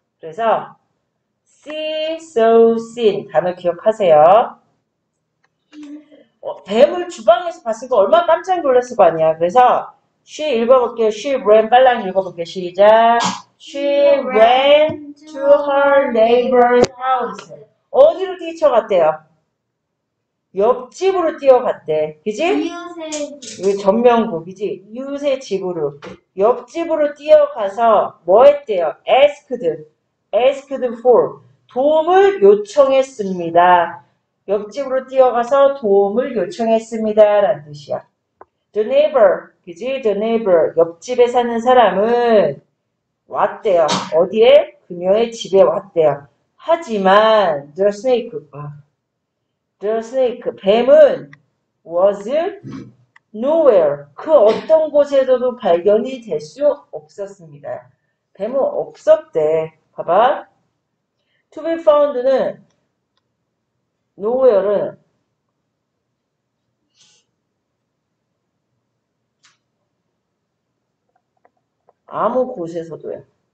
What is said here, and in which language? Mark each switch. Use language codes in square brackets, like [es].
[ko] 그래서 [en] see, so, seen. [ko] 단어 기억하세요. 뱀을 주방에서 봤을 거 얼마나 깜짝 놀랐을 거 아니야. 그래서 she 읽어볼게요. [en] she ran [ko] 빨랑 읽어볼게요. 시작. [en] She ran to her neighbor's house. [ko] 어디로 뛰쳐갔대요? 옆집으로 뛰어갔대. 그지? 이 전명구, 그지? 이웃의 집으로. 옆집으로 뛰어가서 뭐 했대요? [en] asked for. [ko] 도움을 요청했습니다. 옆집으로 뛰어가서 도움을 요청했습니다. 라는 뜻이야. [en] The neighbor, [ko] 그지? [en] The neighbor. [ko] 옆집에 사는 사람은 왔대요. 어디에? 그녀의 집에 왔대요. 하지만, [en] the snake, the snake, [ko] 뱀은 [en] was nowhere. [ko] 그 어떤 곳에서도 발견이 될수 없었습니다. 뱀은 없었대. 봐봐. [en] To be found [ko] 는 nowhere는 아무 곳에서도요.